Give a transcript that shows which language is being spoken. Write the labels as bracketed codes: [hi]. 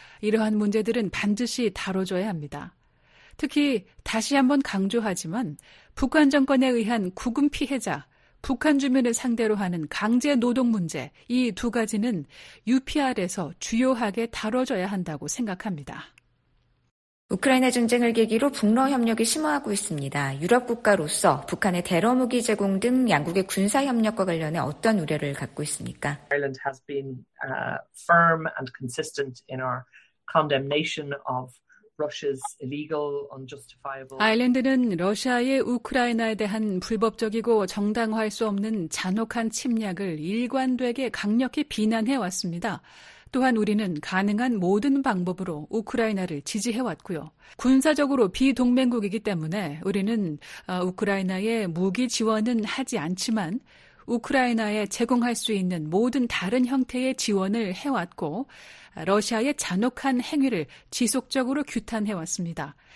[ko] 이러한 문제들은 반드시 다뤄줘야 합니다. 특히 다시 한번 강조하지만 북한 정권에 의한 구금 피해자, 북한 주민을 상대로 하는 강제 노동 문제, 이 두 가지는 UPR에서 주요하게 다뤄져야 한다고 생각합니다. 우크라이나 전쟁을 계기로 북러 협력이 심화하고 있습니다. 유럽 국가로서 북한의 대러 무기 제공 등 양국의 군사 협력과 관련해 어떤 우려를 갖고 있습니까? [en] Ireland has been firm and consistent in our condemnation of Russia's illegal, unjustifiable. [ko] 아일랜드는 러시아의 우크라이나에 대한 불법적이고 정당화할 수 없는 잔혹한 침략을 일관되게 강력히 비난해 왔습니다. 또한 우리는 가능한 모든 방법으로 우크라이나를 지지해왔고요. 군사적으로 비동맹국이기 때문에 우리는 우크라이나에 무기 지원은 하지 않지만 우크라이나에 제공할 수 있는 모든 다른 형태의 지원을 해왔고 러시아의 잔혹한 행위를 지속적으로 규탄해왔습니다.